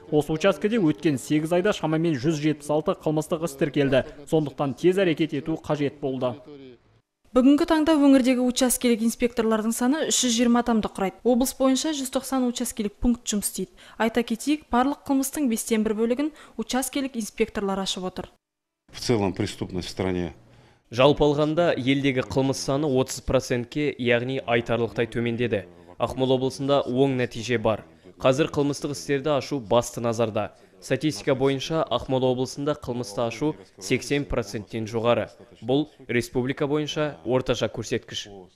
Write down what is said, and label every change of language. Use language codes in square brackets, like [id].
[kk] Осы учаскеде өткен 8 айда шамамен 176 қылмыстық іс тіркелді. Сондықтан тез әрекет ету қажет болды. Бүгінгі таңда өңірдегі учаскелік инспекторлардың саны 320 адамды құрайды. Облыс бойынша 190 учаскелік пункт жұмыс істейді. Айта кетейік, барлық қылмыстың 1/5 бөлігін учаскелік инспекторлар ашып отыр. [ru] В целом преступность в стране. [kk] Жалпы алғанда елдегі қылмыс саны 30%-ке, яғни айтарлықтай төмендеді. Ақмол облысында оң нәтиже бар. Қазір қылмыстық істерді ашу басты назарда. Статистика бойынша Ақмола облысында қылмысты ашу 80%-тен жоғары. Бұл республика бойынша орташа көрсеткіш.